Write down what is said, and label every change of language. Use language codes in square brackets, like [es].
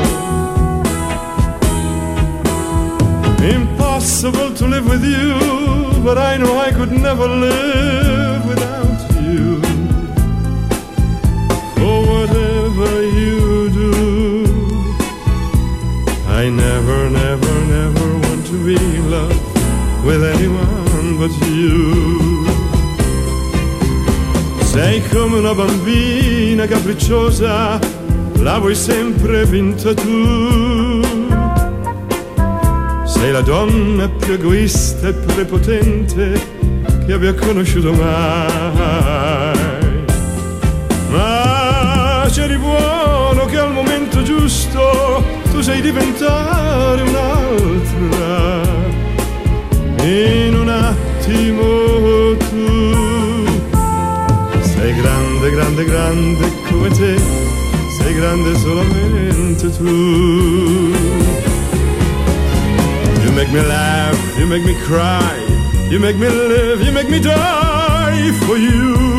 [en] Impossible to live with you, but I know I could never live without you. For whatever you do, I never, never, never want to be in love with anyone but you. [it] Sei come una bambina capricciosa, la vuoi sempre vinta tu. Sei la donna più egoista e prepotente che abbia conosciuto mai. Ma c'è di buono che al momento giusto tu sei diventare un'altra. In un attimo tu sei grande, grande, grande come te, sei grande solamente tu. [en] You make me laugh, you make me cry, you make me live, you make me die for you.